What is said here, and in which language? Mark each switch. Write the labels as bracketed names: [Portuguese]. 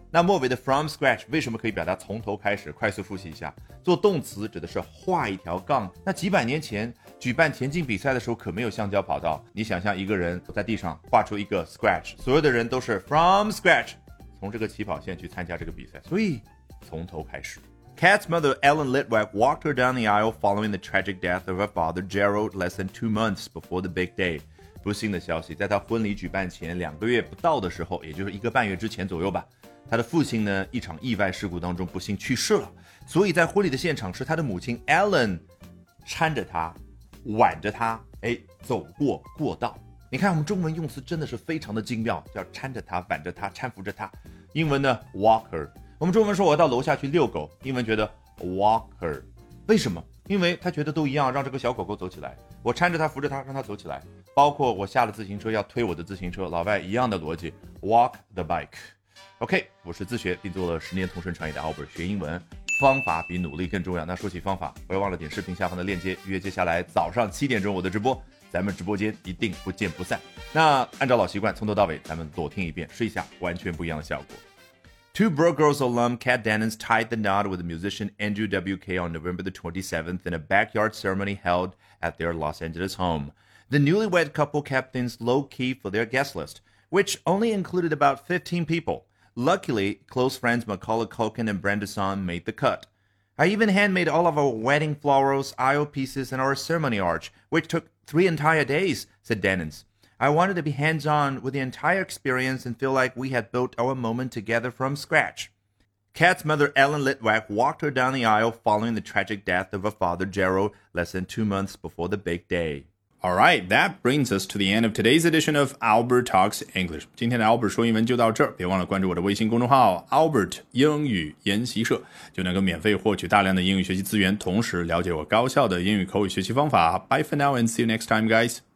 [Chinese] 那末尾的 from scratch 为什么可以表达从头开始？快速复习一下，做动词指的是画一条杠。那几百年前举办田径比赛的时候可没有橡胶跑道，你想象一个人在地上画出一个 scratch, 所有的人都是 from scratch, 从这个起跑线去参加这个比赛，所以从头开始。 [English] Kat's mother, Ellen Litwack, walked her down the aisle following the tragic death of her father, Gerald, less than 2 months before the big day. [Chinese] 不幸的消息，在她婚礼举办前两个月不到的时候，也就是一个半月之前左右吧，她的父亲呢，一场意外事故当中不幸去世了。所以在婚礼的现场是她的母亲 Ellen 搀着她，挽着她，哎，走过过道。你看我们中文用词真的是非常的精妙，叫搀着她、挽着她、搀扶着她。英文呢 ， [English] walk her。 [Chinese] 我们中文说我要到楼下去遛狗，英文觉得 walker, 为什么？因为他觉得都一样，让这个小狗狗走起来，我搀着他扶着他让他走起来，包括我下了自行车要推我的自行车，老外一样的逻辑， [English] walk the bike。 [Chinese] OK， 我是自学并做了10年同声传译的 Albert， 学英文方法比努力更重要。那说起方法，不要忘了点视频下方的链接约接下来早上7点我的直播，咱们直播间一定不见不散。那按照老习惯，从头到尾咱们躲听一遍，试一下完全不一样的效果。 [English] Two Broke Girls alum Kat Dennings tied the knot with musician Andrew WK on November the 27th in a backyard ceremony held at their Los Angeles home. The newlywed couple kept things low-key for their guest list, which only included about 15 people. Luckily, close friends Macaulay Culkin and Brenda Song made the cut. I even handmade all of our wedding florals, aisle pieces, and our ceremony arch, which took 3 entire days, said Dennings. I wanted to be hands-on with the entire experience and feel like we had built our moment together from scratch. Kat's mother, Ellen Litwack, walked her down the aisle following the tragic death of her father, Gerald, less than 2 months before the big day. All right, that brings us to the end of today's edition of Albert Talks English. [Chinese] 今天的 Albert 说英文就到这儿，别忘了关注我的微信公众号 Albert 英语研习社，就能够免费获取大量的英语学习资源，同时了解我高效的英语口语学习方法。 [English] Bye for now and see you next time, guys.